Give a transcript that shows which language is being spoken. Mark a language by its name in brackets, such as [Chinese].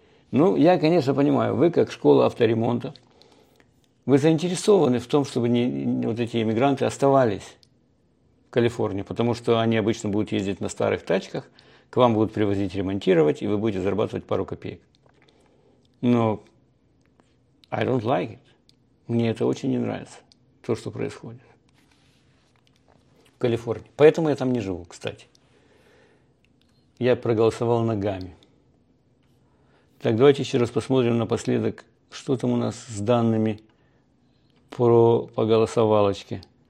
[Russian] Ну, я, конечно, понимаю, вы как школа авторемонта, вы заинтересованы в том, чтобы вот эти иммигранты оставались Калифорнии, потому что они обычно будут ездить на старых тачках, к вам будут привозить ремонтировать, и вы будете зарабатывать пару копеек. Но [English] I don't like it. [Russian] Мне это очень не нравится, то, что происходит в Калифорнии. Поэтому я там не живу, кстати. Я проголосовал ногами. Так, давайте еще раз посмотрим напоследок, что там у нас с данными по голосовалочке.